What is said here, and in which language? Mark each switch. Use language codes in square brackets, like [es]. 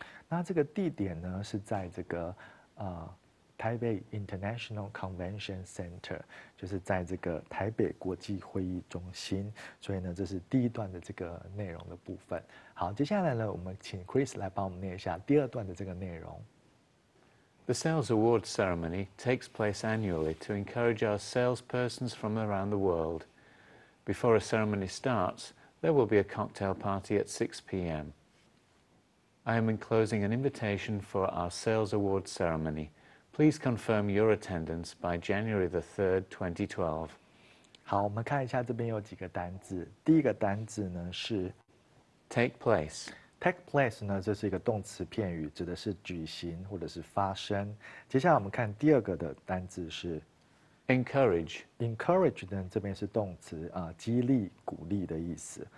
[zh] 那这个地点呢，是在这个台北 International Convention Center， 就是在这个台北国际会议中心。所以呢，这是第一段的这个内容的部分。好，接下来呢，我们请 Chris 来帮我们念一下第二段的这个内容。 [en] The Sales Award Ceremony takes place annually to encourage our salespersons from around the world. Before a ceremony starts, there will be a cocktail party at 6 p.m. I am enclosing an invitation for our Sales Award Ceremony. Please confirm your attendance by January the 3rd, 2012. [zh] 好，我们看一下这边有几个单字。第一个单字呢是 [en] take place。 [zh] Take place 呢，这是一个动词片语，指的是举行或者是发生。接下来我们看第二个的单字是 [en] encourage。 [zh] Encourage 呢，这边是动词激励、鼓励的意思。